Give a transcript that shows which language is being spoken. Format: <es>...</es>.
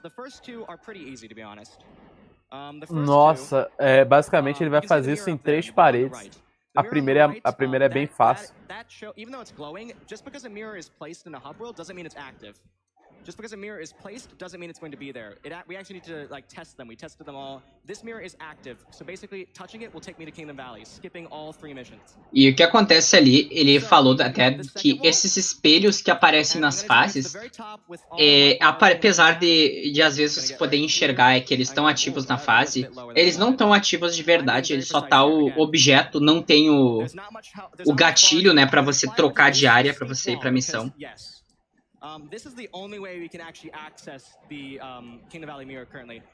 <en>The first two are pretty easy, to be honest.</en> <pt>Nossa, é, basicamente ele vai fazer isso em três paredes. A primeira é bem fácil.</pt> <en>Even though it's glowing, just because a mirror is placed in a hub world doesn't mean it's active. Just because a mirror is placed doesn't mean it's going to be there. We actually need to like test them. We tested them all. This mirror is active. So basically, touching it will take me to Kingdom Valley, skipping all three missions.</en> <pt>E o que acontece ali, ele falou até que esses espelhos que aparecem nas fases, apesar de às vezes você poder enxergar que eles estão ativos na fase, eles não estão ativos de verdade. Ele só tá o objeto, não tem o gatilho, né, para você trocar de área, para você ir para missão.</pt> <en>This is the only way we can actually access the Kingdom Valley mirror currently.</en>